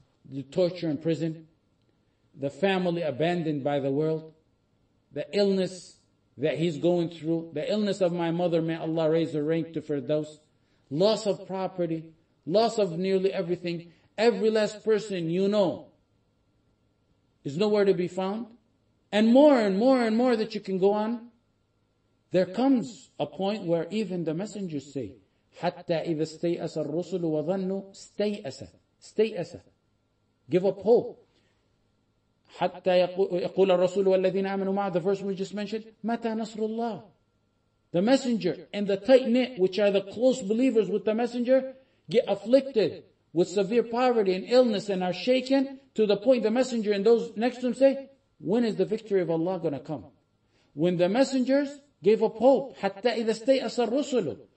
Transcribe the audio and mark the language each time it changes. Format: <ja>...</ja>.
<en>The torture in prison, the family abandoned by the world, the illness that he's going through, the illness of my mother, may Allah raise her rank to Firdaus, loss of property, loss of nearly everything, every last person you know is nowhere to be found, and more and more and more that you can go on. There comes a point where even the messengers say,</en> <ar>حَتَّى إِذَا اسْتَيْأَسَ الرُّسُلُ وَظَنُّوا اسْتَيْأَسَ اسْتَيْأَسَ.</ar> <en>Give up hope.</en> <ar>حتى يقول الرسول والذين آمنوا معه,</ar> <en>the verse we just mentioned,</en> <ar>متى نصر الله.</ar> <en>The messenger and the tight-knit, which are the close believers with the messenger, get afflicted with severe poverty and illness and are shaken to the point the messenger and those next to him say, when is the victory of Allah going to come? When the messengers gave up hope,</en> <ar>حتى إذا استيأس الرسل.</ar>